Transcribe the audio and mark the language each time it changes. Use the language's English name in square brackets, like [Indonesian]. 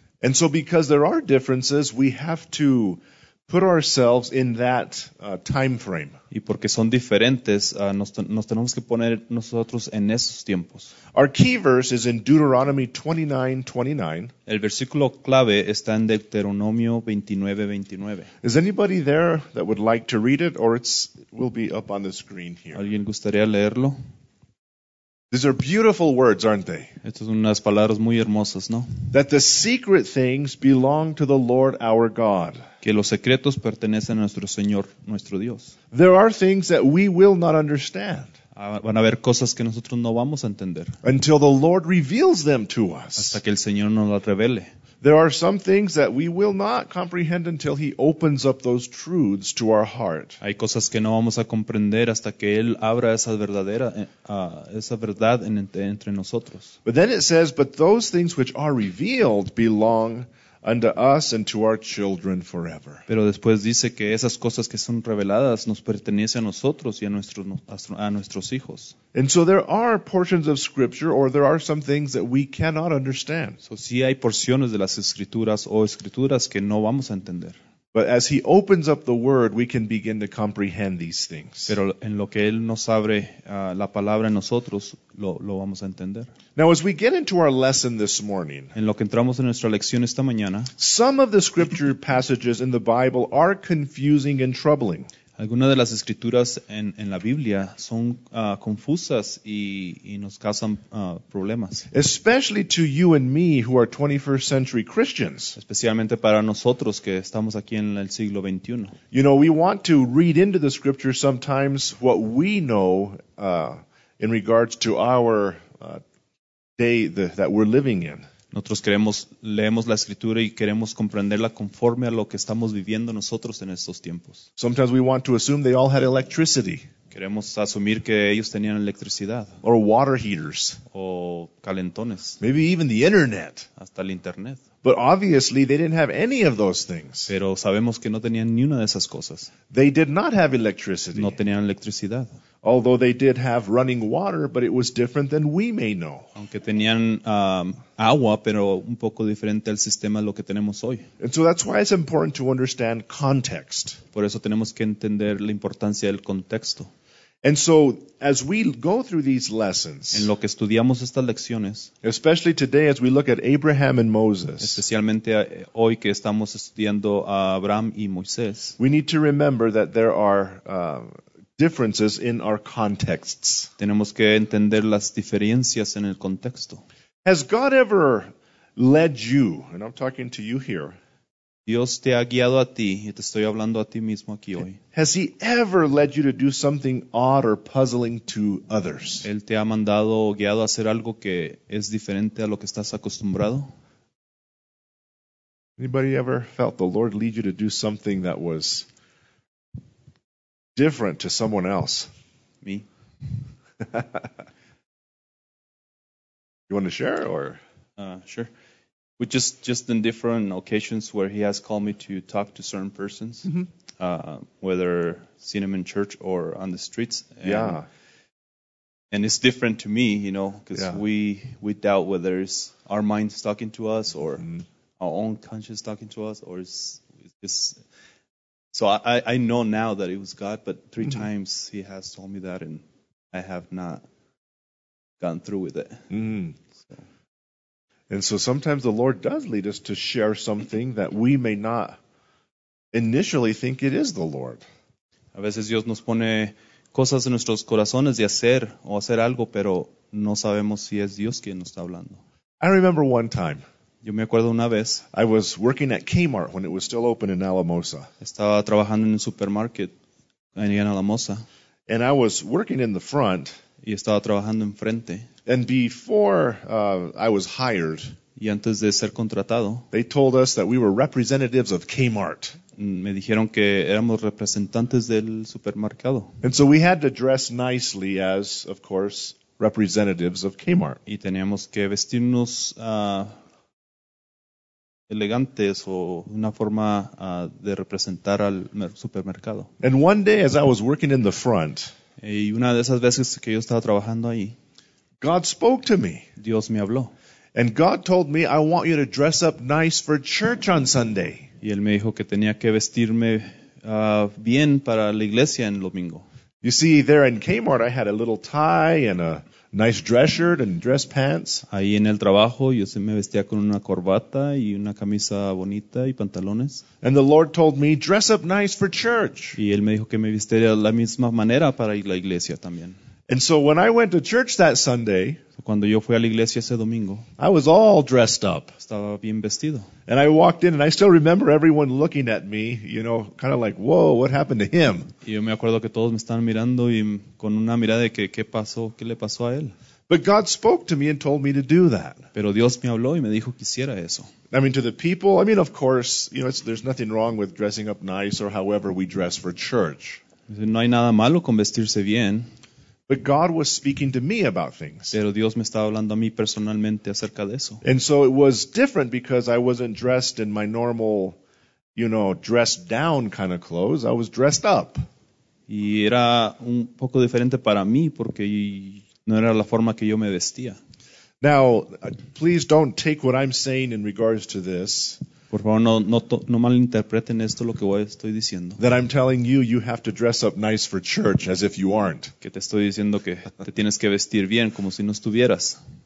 [English] And so because there are differences, we have to put ourselves in that time frame. [Spanish] Y porque son diferentes, nos tenemos que poner nosotros en esos tiempos. [English] Our key verse is in Deuteronomy 29:29. [Spanish] El versículo clave está en Deuteronomio 29:29. [English] Is anybody there that would like to read it, or it's will be up on the screen here? [Spanish] ¿Alguien gustaría leerlo? [English] These are beautiful words, aren't they? [Spanish] Estas son unas palabras muy hermosas, ¿no? [English] That the secret things belong to the Lord our God. [Spanish] Que los secretos pertenecen a nuestro Señor, nuestro Dios. [English] There are things that we will not understand. [Spanish] Van a haber cosas que nosotros no vamos a entender. [English] Until the Lord reveals them to us. [Spanish] Hasta que el Señor nos las revele. [English] There are some things that we will not comprehend until he opens up those truths to our heart. [Spanish] Hay cosas que no vamos a comprender hasta que él abra esa verdad entre nosotros. [English] But then it says, but those things which are revealed belong unto us and to our children forever. [Spanish] Pero después dice que esas cosas que son reveladas nos pertenecen a nosotros y a nuestros hijos. [English] And so there are portions of Scripture, or there are some things that we cannot understand. [Spanish] So sí hay porciones de las escrituras o escrituras que no vamos a entender. [English] But as he opens up the word, we can begin to comprehend these things. [Spanish] Pero en lo que él nos abre la palabra en nosotros, lo vamos a entender. [English] Now as we get into our lesson this morning, [Spanish] en lo que entramos en nuestra lección esta mañana, [English] some of the scripture passages in the Bible are confusing and troubling. [Spanish] Algunas de las escrituras en la Biblia son confusas y nos causan problemas. [English] Especially to you and me who are 21st century Christians. [Spanish] Especialmente para nosotros que estamos aquí en el siglo 21. [English] You know, we want to read into the scripture sometimes what we know in regards to our day that we're living in. [Spanish] Nosotros queremos, leemos la escritura y queremos comprenderla conforme a lo que estamos viviendo nosotros en estos tiempos. [English] Sometimes we want to assume they all had electricity. [Spanish] Queremos asumir que ellos tenían electricidad. [English] Or water heaters. [Spanish] O calentones. [English] Maybe even the internet. [Spanish] Hasta el internet. [English] But obviously they didn't have any of those things. [Spanish] Pero sabemos que no tenían ni una de esas cosas. [English] They did not have electricity. [Spanish] No tenían electricidad. [English] Although they did have running water, but it was different than we may know. [Spanish] Aunque tenían agua, pero un poco diferente al sistema lo que tenemos hoy. [English] And so that's why it's important to understand context. [Spanish] Por eso tenemos que entender la importancia del contexto. [English] And so as we go through these lessons, [Spanish] en lo que estudiamos estas lecciones, [English] especially today as we look at Abraham and Moses, [Spanish] especialmente hoy que estamos estudiando a Abraham y Moisés, [English] we need to remember that there are differences in our contexts. [Spanish] Tenemos que entender las diferencias en el contexto. [English] Has God ever led you, and I'm talking to you here, [Spanish] Dios te ha guiado a ti, y te estoy hablando a ti mismo aquí hoy. [English] Has he ever led you to do something odd or puzzling to others? [Spanish] Él te ha mandado o guiado a hacer algo que es diferente a lo que estás acostumbrado. [English] Anybody ever felt the Lord lead you to do something that was different to someone else? Me. You want to share or? Sure. We just in different occasions where he has called me to talk to certain persons, whether seen him in church or on the streets. And, yeah. And it's different to me, you know, because we doubt whether it's our minds talking to us or our own conscience talking to us or it's so I know now that it was God, but three times he has told me that and I have not gone through with it. Mm. So. And so sometimes the Lord does lead us to share something that we may not initially think it is the Lord. [Spanish] A veces Dios nos pone cosas en nuestros corazones de hacer o hacer algo, pero no sabemos si es Dios quien nos está hablando. [English] I remember one time. [Spanish] Yo me acuerdo una vez. [English] I was working at Kmart when it was still open in Alamosa. [Spanish] Estaba trabajando en un supermarket ahí en Alamosa. [English] And I was working in the front. [Spanish] Y estaba trabajando enfrente. [English] And before I was hired, [Spanish] y antes de ser contratado, [English] they told us that we were representatives of Kmart. [Spanish] Me dijeron que éramos representantes del supermercado. [English] And so we had to dress nicely as, of course, representatives of Kmart. [Spanish] Y teníamos que vestirnos elegantes o una forma de representar al supermercado. [English] And one day as I was working in the front, [Spanish] y una de esas veces que yo estaba trabajando ahí, [English] God spoke to me. [Spanish] Dios me habló. [English] And God told me, I want you to dress up nice for church on Sunday. [Spanish] Y él me dijo que tenía que vestirme bien para la iglesia en domingo. [English] You see, there in Kmart, I had a little tie and a nice dress shirt and dress pants. [Spanish] Ahí en el trabajo, yo se me vestía con una corbata y una camisa bonita y pantalones. [English] And the Lord told me, dress up nice for church. [Spanish] Y él me dijo que me vistiera de la misma manera para la iglesia también. [English] And so when I went to church that Sunday, [Spanish] cuando yo fui a la iglesia ese domingo, [English] I was all dressed up. [Spanish] Estaba bien vestido. [English] And I walked in and I still remember everyone looking at me, you know, kind of like, whoa, what happened to him? [Spanish] Y yo me acuerdo que todos me estaban mirando y con una mirada de que, ¿qué pasó? ¿Qué le pasó a él? [English] But God spoke to me and told me to do that. [Spanish] Pero Dios me habló y me dijo que hiciera eso. [English] I mean, to the people, I mean, of course, you know, there's nothing wrong with dressing up nice or however we dress for church. [Spanish] No hay nada malo con vestirse bien. [English] But God was speaking to me about things. [Spanish] Pero Dios me estaba hablando a mí personalmente acerca de eso. [English] And so it was different because I wasn't dressed in my normal, you know, dressed down kind of clothes. I was dressed up. [Spanish] Y era un poco diferente para mí porque no era la forma que yo me vestía. [English] Now, please don't take what I'm saying in regards to this. [Spanish] Por favor, no malinterpreten esto lo que estoy diciendo. [English] That I'm telling you, you have to dress up nice for church as if you aren't. [Spanish] Que te estoy diciendo que te tienes que vestir bien como si no estuvieras.